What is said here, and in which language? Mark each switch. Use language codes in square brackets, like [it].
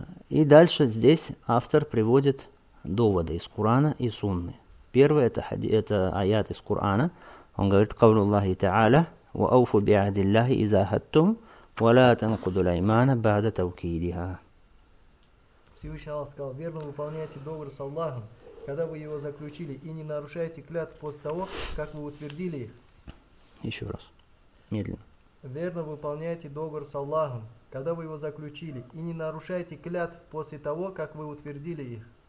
[ru] И дальше здесь автор приводит доводы из Курана и Сунны. Первое это аят из Корана. Он говорит: [ar] قول الله تعالى وأوفوا بعهد الله إذا عاهدتم ولا تنقضوا الأيمان بعد توكيدها. [ru] Всевышний Аллах сказал: верно выполняйте договор с Аллахом, когда вы его заключили, и не нарушайте клятв после того, как вы утвердили их. Еще раз. Медленно. Верно выполняйте договор с Аллахом, когда вы его заключили, и не нарушайте клятв после того, как вы утвердили их.